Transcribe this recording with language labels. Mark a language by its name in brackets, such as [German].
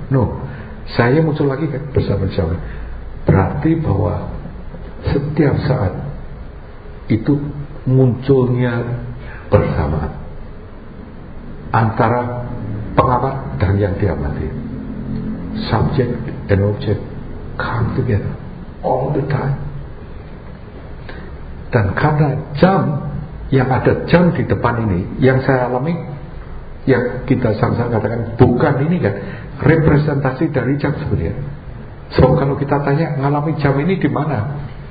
[Indonesian] No, saya muncul lagi kan bersama jam. Berarti bahwa setiap saat itu munculnya bersama antara pengamat dan yang diamati. [English] Subject and object come together all the time. [Indonesian] Dan karena jam, yang ada jam di depan ini, yang saya alami, yang kita sama-sama katakan bukan ini kan representasi dari jam sebenarnya. So kalau kita tanya ngalami jam ini di mana?